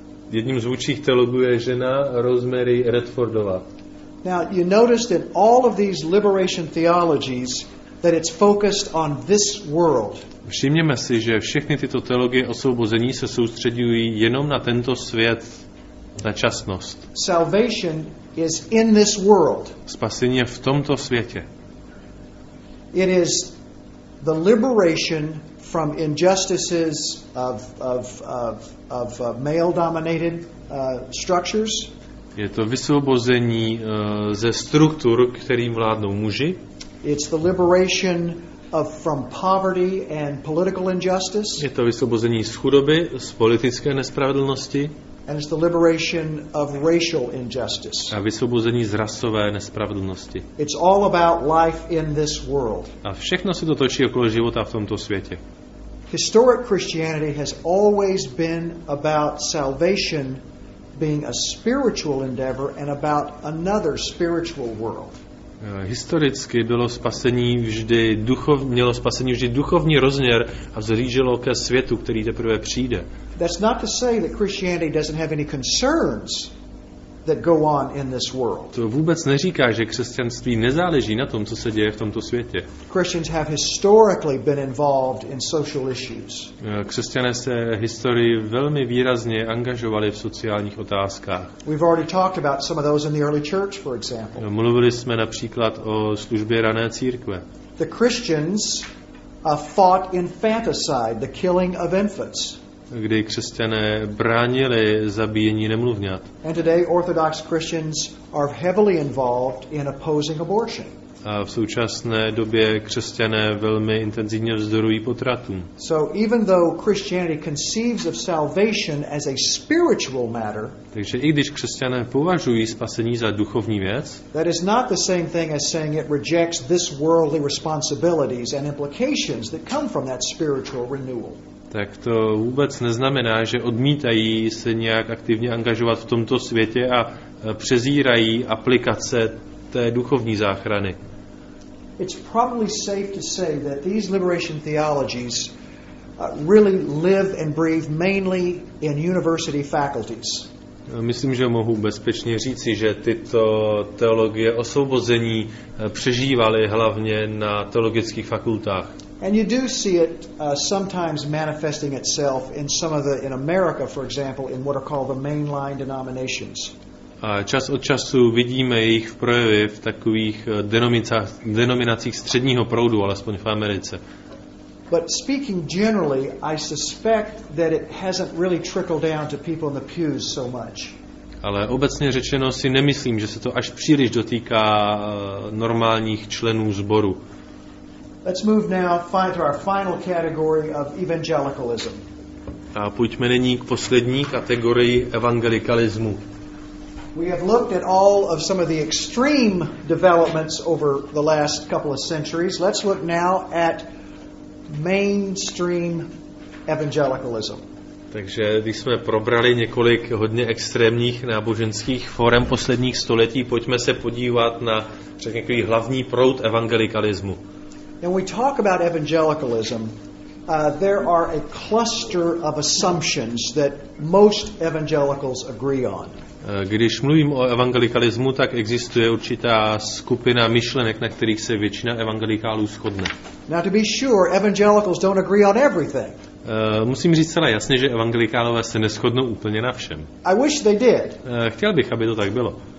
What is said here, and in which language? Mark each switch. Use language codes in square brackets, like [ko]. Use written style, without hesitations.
[cs] Jedním z vůdčích teologů je žena Rosemary Radfordová. [en] Now you notice that all of these liberation theologies that it's focused on this world. [cs] Všimněme si, že všechny tyto teologie osvobození se soustředují jenom na tento svět, na časnost. [en] Salvation is in this world. [cs] Spasení je v tomto světě. [en] It is the liberation from injustices of male dominated structures. [cs] Je to vysvobození ze struktur, kterým vládnou muži. [en] It's the liberation of from poverty and political injustice. [cs] Je to vysvobození z chudoby, z politické nespravedlnosti. [en] And it's the liberation of racial injustice. [cs] A vysvobození z rasové nespravedlnosti. [en] It's all about life in this world. [cs] A všechno se to točí okolo života v tomto světě. [en] Historic Christianity has always been about salvation being a spiritual endeavor and about another spiritual world. [cs] Historicky bylo spasení vždy mělo spasení vždy duchovní rozměr a vzhlíželo ke světu, který teprve přijde. [en] That's not to say that Christianity doesn't have any concerns that go on in this world. [cs] To vůbec neříká, že křesťanství nezáleží na tom, co se děje v tomto světě. [en] Christians have historically been involved in social issues. [cs] Křesťané se historii velmi výrazně angažovali v sociálních otázkách. [en] We've already talked about some of those in the early church, for example. [cs] Mluvili jsme například o službě rané církve. [en] The Christians fought infanticide, the killing of infants. [cs] Kdy křesťané bránili zabíjení nemluvňat. [en] And today orthodox Christians are heavily involved in opposing abortion. [cs] A v současné době křesťané velmi intenzivně vzdorují potratům. [en] So even though Christianity conceives of salvation as a spiritual matter, [cs] takže i když křesťané považují spasení za duchovní věc, [en] that is not the same thing as saying it rejects this worldly responsibilities and implications that come from that spiritual renewal. [cs] Tak to vůbec neznamená, že odmítají se nějak aktivně angažovat v tomto světě a přezírají aplikace té duchovní záchrany. [en] It's probably safe to say that these liberation theologies really live and breathe mainly in university faculties. [cs] Myslím, že mohu bezpečně říci, že tyto teologie osvobození přežívaly hlavně na teologických fakultách. [en] And you do see it sometimes manifesting itself in some of the in America, for example, in what are called the mainline denominations. [cs] A čas od času vidíme jejich projevy v takových denominacích středního proudu, alespoň v Americe. [en] But speaking generally, I suspect that it hasn't really trickled down to people in the pews so much. [cs] Ale obecně řečeno si nemyslím, že se to až příliš dotýká normálních členů sboru. [en] Let's move now to our final category of evangelicalism. [cs] A pojďme nyní k poslední kategorii evangelikalismu. [en] We have looked at all of some of the extreme developments over the last couple of centuries. Let's look now at mainstream evangelicalism. [cs] Takže když jsme probrali několik hodně extrémních náboženských forem posledních století, pojďme se podívat na řekněme takový hlavní proud evangelikalismu. [en] When we talk about evangelicalism, there are a cluster of assumptions that most evangelicals agree on. [cs] Když mluvím o evangelikalismu, tak existuje určitá skupina myšlenek, na kterých se většina evangelikálů shodne. [en] Now to be sure, evangelicals don't agree on everything. [cs] Musím říct celé jasně, že evangelikálové se neshodnou úplně na všem. [en] I wish they did. [cs] Chtěl bych, aby to tak bylo.